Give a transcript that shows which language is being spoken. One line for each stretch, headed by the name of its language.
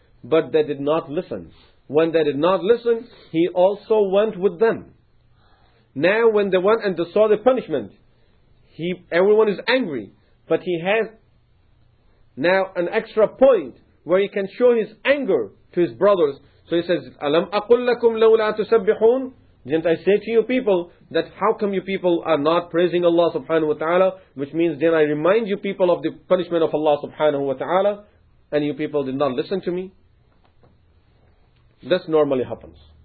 English: But they did not listen. When they did not listen, he also went with them. Now when they went and they saw the punishment, everyone is angry. But he has now an extra point where he can show his anger to his brothers.
Arabic: So he says, أَلَمْ أَقُلْ لَكُمْ لَوْلَا تُسَبِّحُونَ.
English: Didn't I say to you people that how come you people are not praising Allah subhanahu wa ta'ala? Which means, then I remind you people of the punishment of Allah subhanahu wa ta'ala, and you people did not listen to me. This normally happens.